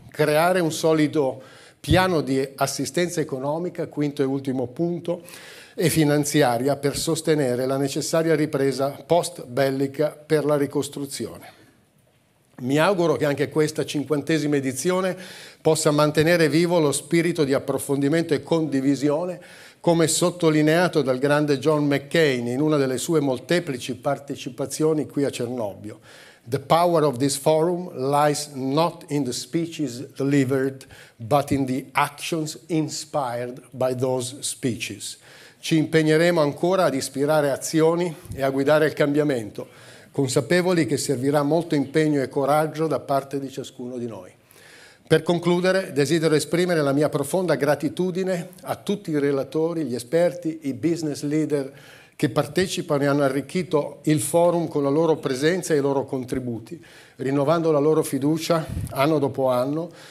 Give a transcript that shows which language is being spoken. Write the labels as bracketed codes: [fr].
[it] Creare un solido piano di assistenza economica, quinto e ultimo punto, e finanziaria per sostenere la necessaria ripresa post bellica per la ricostruzione. Mi auguro che anche questa 50ª edizione possa mantenere vivo lo spirito di approfondimento e condivisione, come sottolineato dal grande John McCain in una delle sue molteplici partecipazioni qui a Cernobbio. [en] The power of this forum lies not in the speeches delivered, but in the actions inspired by those speeches. [it] Ci impegneremo ancora ad ispirare azioni e a guidare il cambiamento, consapevoli che servirà molto impegno e coraggio da parte di ciascuno di noi. Per concludere, desidero esprimere la mia profonda gratitudine a tutti i relatori, gli esperti, i business leader che partecipano e hanno arricchito il forum con la loro presenza e i loro contributi, rinnovando la loro fiducia anno dopo anno.